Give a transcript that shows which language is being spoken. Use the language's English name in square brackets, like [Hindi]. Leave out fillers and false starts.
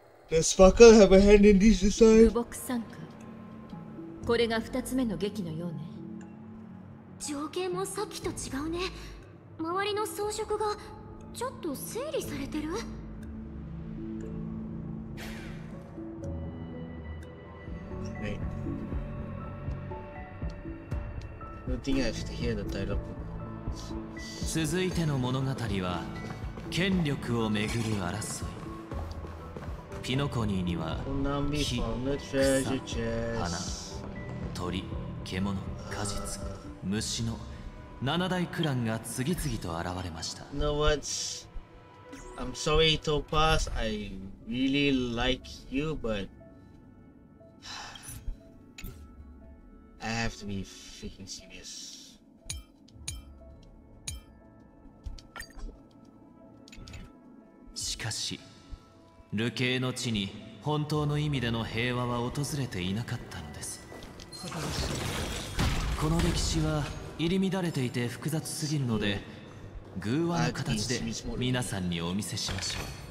[English] Does Sparkle have a hand in this design? Box 3. [Japanese] これが2つ目の劇のようね。情景もさっきと違うね。周りの装飾がちょっと整理されてる。続いての物語は権力をめぐる争い。ピノコニーには木、草、花、鳥、獣、果実、虫の 7大クランが次々と現れました。 [English] No words. I'm sorry, Topaz. I really like you, but I have to be freaking serious. [Japanese] しかし、流刑の地に本当の意味での平和は訪れていなかったのです。この歴史は入り乱れていて複雑すぎるので、偶話の形で皆さんにお見せしましょう。